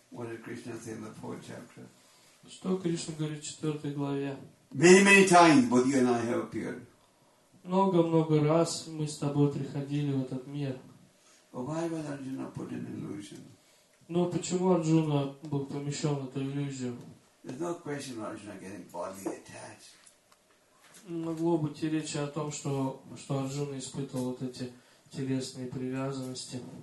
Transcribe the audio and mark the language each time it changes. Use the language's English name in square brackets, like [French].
[English] What did Krishna say in the fourth chapter? [Russian] Что Кришна говорит в 4 главе? [English] Many, many times both you and I have appeared. [Russian] Много-много раз мы с тобой приходили в этот мир. [English] Why was Arjuna put in illusion? [Russian] Но почему Арджуна был помещен в эту иллюзию? [English] There's no question about Arjuna getting bodily attached. [Russian] Могло быть и речь о том, что, что Арджуна испытывал вот эти телесные привязанности.